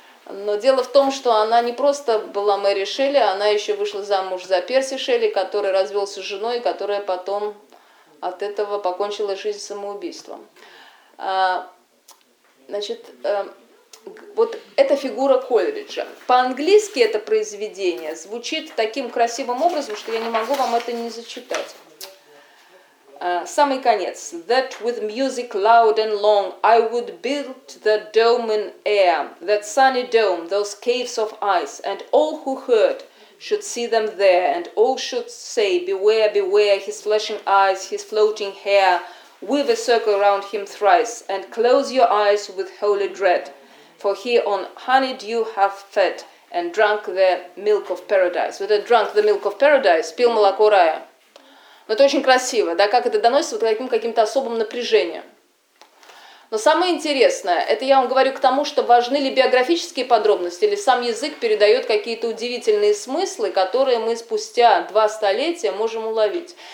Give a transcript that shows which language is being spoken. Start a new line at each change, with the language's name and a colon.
Russian: Но дело в том, что она не просто была Мэри Шелли, она еще вышла замуж за Перси Шелли, который развелся с женой, которая потом от этого покончила жизнь самоубийством. Значит, вот эта фигура Кольриджа. По-английски это произведение звучит таким красивым образом, что я не могу вам это не зачитать. Самый конец.
English: That with music loud and long I would build the dome in air, that sunny dome, those caves of ice, and all who heard should see them there, and all should say, beware, beware, his flashing eyes, his floating hair, weave a circle round him thrice, and close your eyes with holy dread, for he on honeydew hath fed and drunk the milk of paradise. With a drunk the milk of paradise,
Russian: пил молоко рая. Но это очень красиво, да, как это доносится, вот каким-то особым напряжением. Но самое интересное, это я вам говорю к тому, что важны ли биографические подробности, или сам язык передает какие-то удивительные смыслы, которые мы спустя два столетия можем уловить.